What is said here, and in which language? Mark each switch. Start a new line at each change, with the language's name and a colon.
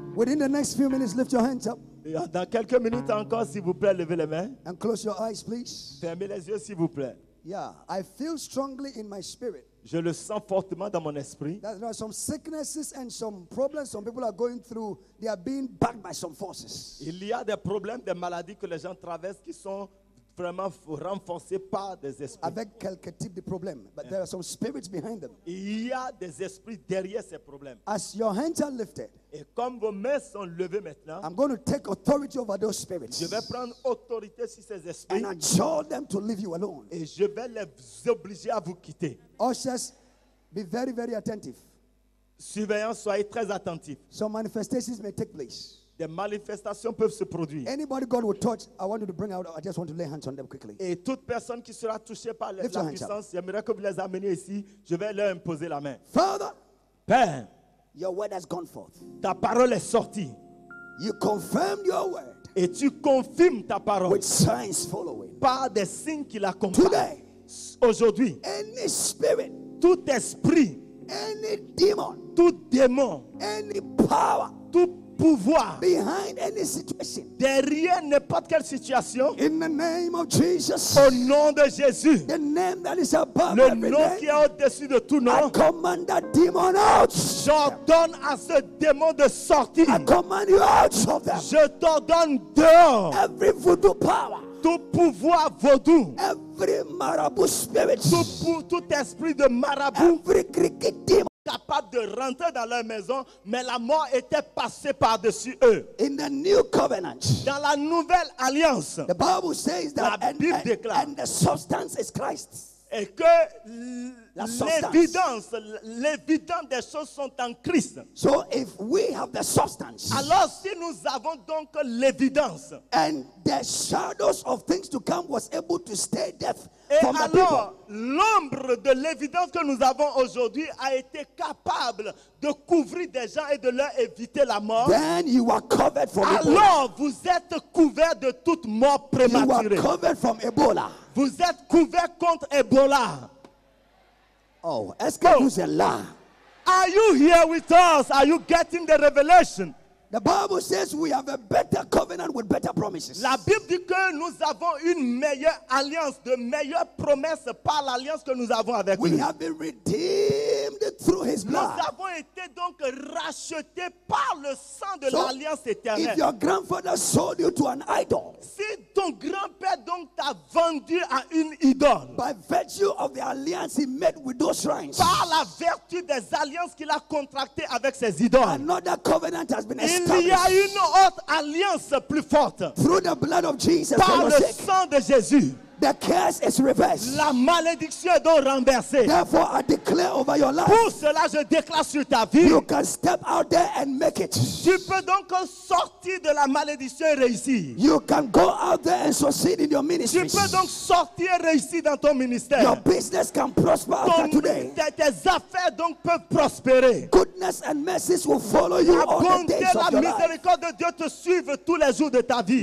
English: Within the next few minutes, lift your hands up.
French: Dans quelques minutes encore, s'il vous plaît, levez les mains.
English: And close your eyes, please.
French: Fermez les yeux, s'il vous plaît.
English: Yeah, I feel strongly in my spirit.
French: Je le sens fortement dans mon esprit.
English: That there are some sicknesses and some problems some people are going through. They are being backed by some forces.
French: Il y a des problèmes, des maladies que les gens traversent qui sont vraiment renforcés par des esprits. Avec quelques types de problèmes,
English: but there are some spirits behind them.
French: Il y a des esprits derrière ces problèmes.
English: As your hands are lifted,
French: et comme vos mains sont levées maintenant,
English: I'm going to take authority over those spirits.
French: Je vais prendre autorité sur ces esprits.
English: And adjure them to leave you alone.
French: Et je vais les obliger à vous quitter.
English: Ushers, be very, very attentive.
French: Surveillants, soyez très attentifs.
English: Some manifestations may take place.
French: Des manifestations peuvent se produire.
English: Anybody God will touch, I want you to bring out. I just want to lay hands on them quickly.
French: Et toute personne qui sera touchée par la puissance, j'aimerais que vous les ameniez ici. Je vais leur imposer la main.
English: Father,
French: Père,
English: your word has gone forth.
French: Ta parole est sortie.
English: You confirmed your word.
French: Et tu confirmes ta parole.
English: With signs following.
French: Par des signes qui l'accompagnent.
English: Today,
French: aujourd'hui,
English: any spirit,
French: tout esprit,
English: any demon,
French: tout démon,
English: any power,
French: tout pouvoir,
English: behind any situation,
French: derrière n'importe quelle situation,
English: in the name of Jesus,
French: au nom de Jésus,
English: the name that is above,
French: le nom qui est au-dessus de tout nom,
English: I command that demon out.
French: J'ordonne à ce démon de sortir.
English: I command you out of them.
French: Je t'ordonne dehors.
English: Every voodoo power,
French: tout pouvoir vaudou,
English: every marabout spirit,
French: tout esprit de marabout,
English: every cricket demon,
French: capable de rentrer dans leur maison, mais la mort était passée par-dessus eux.
English: In the new covenant,
French: dans la nouvelle alliance,
English: the Bible says that,
French: la Bible déclare,
English: and the substance is Christ.
French: Et que l'évidence des choses sont en Christ.
English: So if we have the substance,
French: alors si nous avons donc l'évidence,
English: and the shadows of things to come was able to stay deaf
French: et
English: from
French: alors,
English: the people,
French: l'ombre de l'évidence que nous avons aujourd'hui a été capable de couvrir des gens et de leur éviter la mort.
English: Then you are covered from
French: alors
English: Ebola.
French: Vous êtes couvert de toute mort prématurée.
English: You are covered from Ebola.
French: Vous êtes couvert contre Ebola. Oh, est-ce que vous êtes là?
English: Are you here with us? Are you getting the revelation? The Bible says we have a better covenant with better promises.
French: La Bible dit que nous avons une meilleure alliance, de meilleures promesses par l'alliance que nous avons avec
English: lui. We have been redeemed through his blood.
French: Nous avons été donc rachetés par le sang de l'alliance éternelle.
English: If your grandfather sold you to an idol,
French: si ton grand-père donc t'a vendu à une idole,
English: by virtue of the alliance he made with those shrines,
French: par la vertu des alliances qu'il a contractées avec ses idoles,
English: another covenant has been.
French: Il y a une autre alliance plus forte.
English: Through the blood of Jesus,
French: par le sang de Jésus,
English: the curse is reversed.
French: La malédiction est donc renversée.
English: Therefore, I declare over your life.
French: Pour cela, je déclare sur ta vie.
English: You can step out there and make it.
French: Tu peux donc sortir de la malédiction et réussir.
English: You can go out there and succeed in your ministry.
French: Tu peux donc sortir et réussir dans ton ministère.
English: Your business can prosper after today.
French: Tes affaires donc peuvent prospérer.
English: Goodness and mercies will follow you all the days of your life.
French: La miséricorde de Dieu te suivre tous les jours de ta vie.